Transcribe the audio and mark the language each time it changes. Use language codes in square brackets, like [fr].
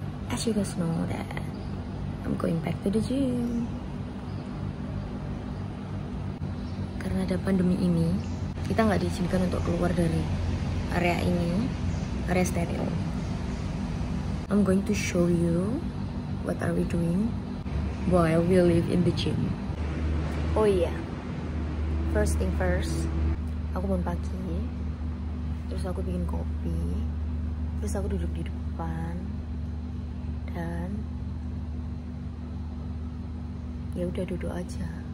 [en] As you guys know that I'm going back to the gym. [id] Karena ada pandemi ini, kita gak diizinkan untuk keluar dari area ini, area steril. [en] I'm going to show you what are we doing while we live in the gym. [id] Oh iya, yeah. [en] First thing first, [id] aku bangun pagi, terus aku bikin kopi, terus aku duduk di depan, dan ya udah duduk aja.